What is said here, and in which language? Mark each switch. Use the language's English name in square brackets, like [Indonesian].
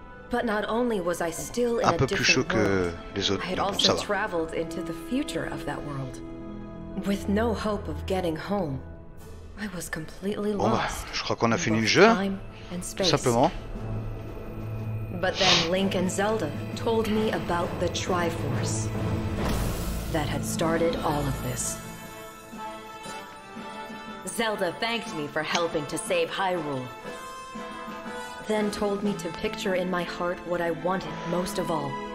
[English] But not only was I still in a different world, [French] que les autres, [English] I had also traveled into the future of that world. With no hope of getting home, I was completely lost. [French] Bon, bah, je crois qu'on a fini le jeu, tout simplement. [English] But then Link and Zelda told me about the Triforce that had started all of this. Zelda thanked me for helping to save Hyrule. Then told me to picture in my heart what I wanted most of all.